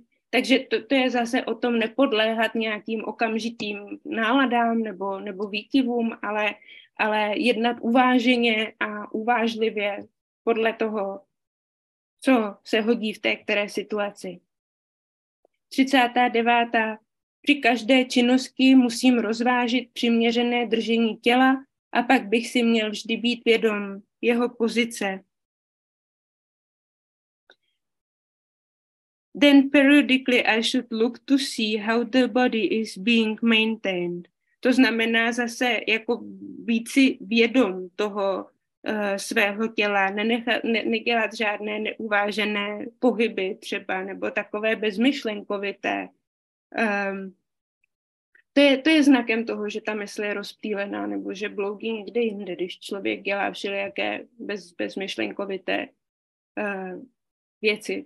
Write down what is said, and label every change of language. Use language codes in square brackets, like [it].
[cs] Takže to je zase o tom nepodléhat nějakým okamžitým náladám nebo výkyvům, ale jednat uváženě a uvážlivě podle toho, co se hodí v té které situaci. 39. Při každé činnosti musím rozvážit přiměřené držení těla a pak bych si měl vždy být vědom jeho pozice. [en] Then periodically I should look to see how the body is being maintained. [cs] To znamená zase jako být si vědom toho svého těla, nedělat žádné neuvážené pohyby třeba, nebo takové bezmyšlenkovité. To je znakem toho, že ta mysl je rozptýlená, nebo že bloudí někde jinde, když člověk dělá všelijaké bezmyšlenkovité věci.